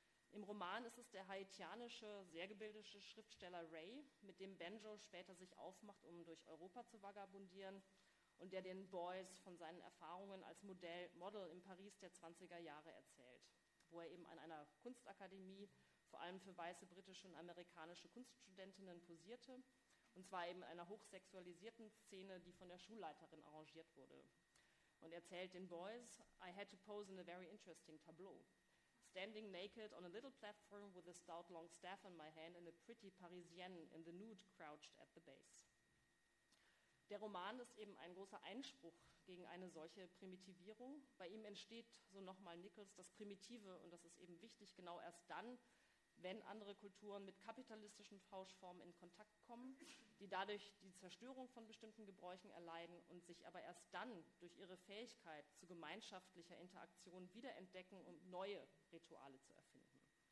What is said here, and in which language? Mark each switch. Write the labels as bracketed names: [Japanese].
[German] Im Roman ist es der haitianische, sehr gebildete Schriftsteller Ray, mit dem Banjo später sich aufmacht, um durch Europa zu vagabundieren, und der den Boys von seinen Erfahrungen als Model in Paris der 20er Jahre erzählt, wo er eben an einer Kunstakademie vor allem für weiße britische und amerikanische Kunststudentinnen posierte, und zwar eben in einer hochsexualisierten Szene, die von der Schulleiterin arrangiert wurde. Und erzählt den Boys, [English] I had to pose in a very interesting tableau. Standing naked on a little platform with a stout long staff in my hand and a pretty Parisienne in the nude crouched at the base. [German] Der Roman ist eben ein großer Einspruch gegen eine solche Primitivierung. Bei ihm entsteht, so nochmal Nichols, das Primitive, und das ist eben wichtig, genau erst dann, wenn andere Kulturen mit kapitalistischen Tauschformen in Kontakt kommen, die dadurch die Zerstörung von bestimmten Gebräuchen erleiden und sich aber erst dann durch ihre Fähigkeit zu gemeinschaftlicher Interaktion wiederentdecken, um neue Rituale zu erfinden.